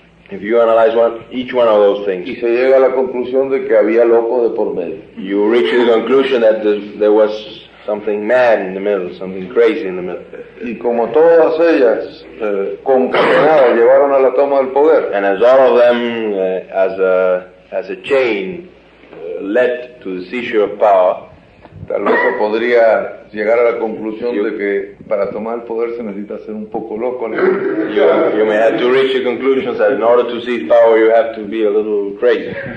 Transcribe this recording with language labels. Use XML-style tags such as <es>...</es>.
<en>If you analyze each one of those things,</en> <es>y se llega a la conclusión de que había loco de por medio.</es> <en>You reach the conclusion that there was something mad in the middle, something crazy in the middle.</en> <es>Y como todas ellas concatenadas llevaron a la toma del poder.</es> <en>And as all of them, as a chain, led to the seizure of power.</en> <es>Tal vez se podría llegar a la conclusión de que para tomar el poder se necesita ser un poco loco.</es> <en>You may have to reach the conclusion that in order to seize power you have to be a little crazy.</en>